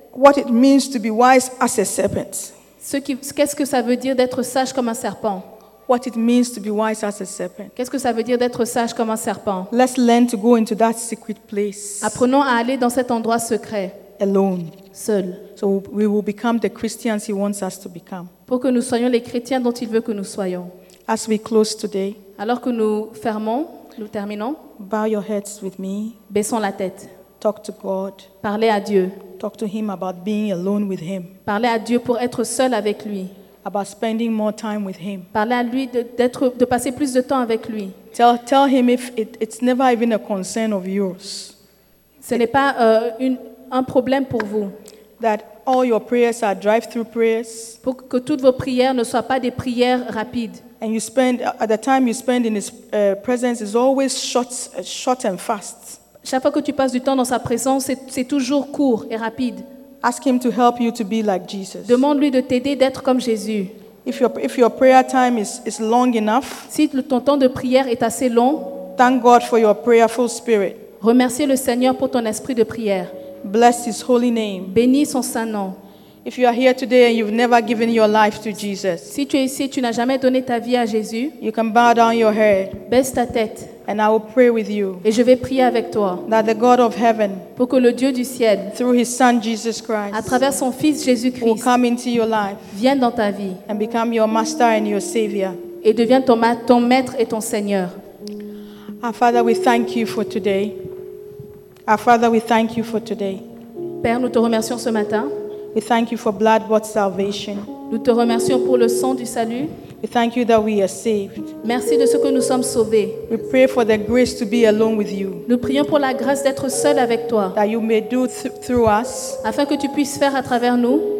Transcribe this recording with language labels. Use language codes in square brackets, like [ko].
[en] What it means to be wise as a serpent. [fr] Qu'est-ce que ça veut dire d'être sage comme un serpent? [en] What it means to be wise as a serpent. [fr] Qu'est-ce que ça veut dire d'être sage comme un serpent? [en] Let's learn to go into that secret place. [fr] Apprenons à aller dans cet endroit secret. [en] Alone. [fr] Seul. [en] So we will become the Christians he wants us to become. [fr] Pour que nous soyons les chrétiens dont il veut que nous soyons. [en] As we close today. [fr] Alors que nous fermons. Nous terminons. [en] Bow your heads with me. [fr] Baissons la tête. [en] Talk to God. [fr] Parlez à Dieu. [en] Talk to him about being alone with him. [fr] Parlez à Dieu pour être seul avec lui. [en] About spending more time with him. [fr] Parlez à lui de passer plus de temps avec lui. [en] Tell him if it's never even a concern of yours. [fr] Ce n'est pas un problème pour vous. [en] That all your prayers are drive-through prayers. [fr] Pour que toutes vos prières ne soient pas des prières rapides. [en] And you spend at the time you spend in his presence is always short and fast. [fr] Chaque fois que tu passes du temps dans sa présence, c'est toujours court et rapide. [en] Ask him to help you to be like Jesus. [fr] Demande-lui de t'aider d'être comme Jésus. [en] If your prayer time is long enough, [fr] si ton temps de prière est assez long, [en] thank God for your prayerful spirit. [fr] Remercie le Seigneur pour ton esprit de prière. [en] Bless his holy name. [fr] Bénis son saint nom. [en] If you are here today and you've never given your life to Jesus, [fr] si tu es ici, tu n'as jamais donné ta vie à Jésus, [en] you can bow down your head. [fr] Baisse ta tête. [en] And I will pray with you. [fr] Et je vais prier avec toi. [en] That the God of heaven, [fr] pour que le Dieu du ciel, [en] through his son Jesus Christ, [fr] à travers son fils Jésus-Christ, [en] will come into your life, [fr] vienne dans ta vie, [en] and become your master and your savior. [fr] Et devienne ton maître et ton seigneur. [en] Our Father, we thank you for today. Our Father, we thank you for today. [fr] Père, nous te remercions ce matin. [en] We thank you for blood-bought salvation. [fr] Nous te remercions pour le sang du salut. [en] We thank you that we are saved. [fr] Merci de ce que nous sommes sauvés. [en] We pray for the grace to be alone with you. [fr] Nous prions pour la grâce d'être seul avec toi. [en] That you may do through us. [fr] Afin que tu puisses faire à travers nous.